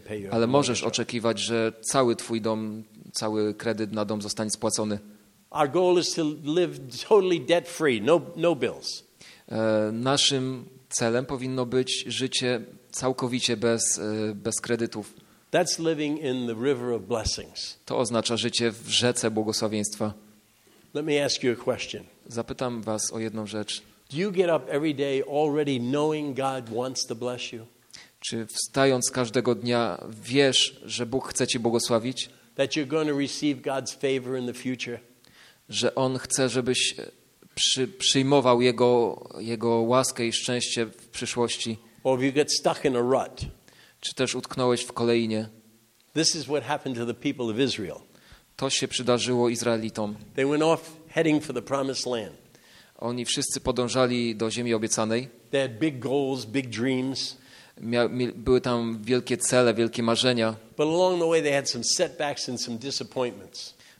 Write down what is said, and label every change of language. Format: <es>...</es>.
<pl>Ale możesz oczekiwać, że cały twój dom, cały kredyt na dom zostanie spłacony.</pl> <en>Our goal is to live totally debt free, no bills.</en> <pl>Naszym celem powinno być życie całkowicie bez kredytów.</pl> <en>That's living in the river of blessings.</en> <pl>To oznacza życie w rzece błogosławieństwa.</pl> <en>Let me ask you a question.</en> <pl>Zapytam was o jedną rzecz.</pl> <en>Do you get up every day already knowing God wants to bless you?</en> <pl>Czy wstając każdego dnia wiesz, że Bóg chce cię błogosławić?</pl> <en>That you're going to receive God's favor in the future?</en> <pl>Że on chce, żebyś przyjmował jego łaskę i szczęście w przyszłości?</pl> <en>Or if you get stuck in a rut?</en> <pl>Czy też utknąłeś w kolejnie?</pl> <en>This is what happened to the people of Israel.</en> <pl>To się przydarzyło Izraelitom.</pl> <en>They went off heading for the promised land.</en> <pl>Oni wszyscy podążali do ziemi obiecanej.</pl> <en>They had big goals, big dreams.</en> <pl>Były tam wielkie cele, wielkie marzenia.</pl> <en>But along the way they had some setbacks and some disappointments.</en>